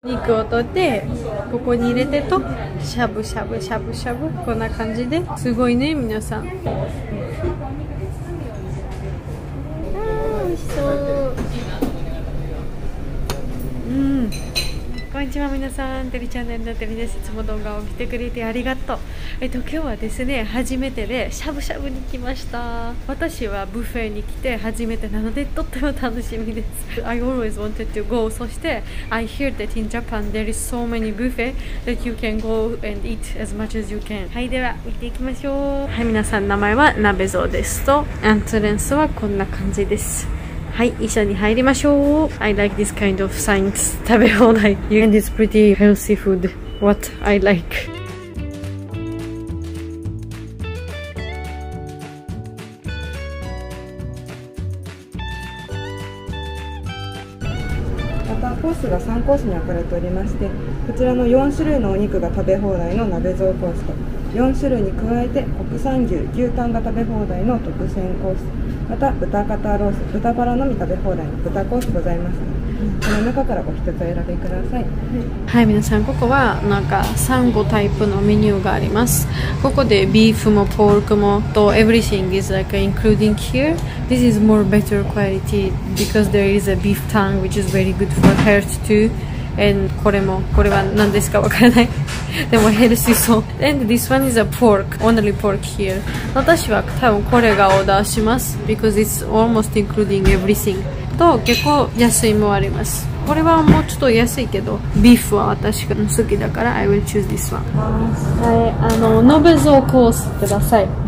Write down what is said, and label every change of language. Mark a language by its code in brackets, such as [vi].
[ja] 肉を取ってここに入れてとしゃぶしゃぶしゃぶしゃぶこんな感じで、すごいね皆さん、あー美味しそう、うん、こんにちは皆さん、テリチャンネルのテリです。いつも動画を見てくれてありがとう。今日はですね、初めてでしゃぶしゃぶに来ました。私はブッフェに来て初めてなのでとっても楽しみです。 [en] I always wanted to go. [ja] そして [en] I hear that in Japan there is so many buffet that you can go and eat as much as you can. [ja] はい、では見ていきましょう。はい、皆さん、名前はナベゾウですと、エントランスはこんな感じです。はい、一緒に入りましょう。 [en] I like this kind of science. 食べ放題 and it's pretty healthy food. What I like. [ja] またコースが3コースに分かれておりまして、こちらの4種類のお肉が食べ放題の鍋蔵コースと、4種類に加えて国産牛、牛タンが食べ放題の特選コース、また豚肩ロース、豚バラのみ食べ放題の豚コースございます。この中からお一つ選びください。はい、皆さん、ここはなんかサンゴタイプのメニューがあります。 [en] ここでビーフもポークもと everything is like including here. This is more better quality because there is a beef tongue which is very good for health too. And [ja] これも、これは何ですかわからない。でもヘルシーそう。 [en] And this one is a pork, only pork here. [ja] 私は多分これがオーダーします。 [en] Because it's almost including everything. [ja] と、結構安いもあります。これはもうちょっと安いけど、ビーフは私が好きだから、 [en] I will choose this one. [ja] はい、ノベゾーコースください。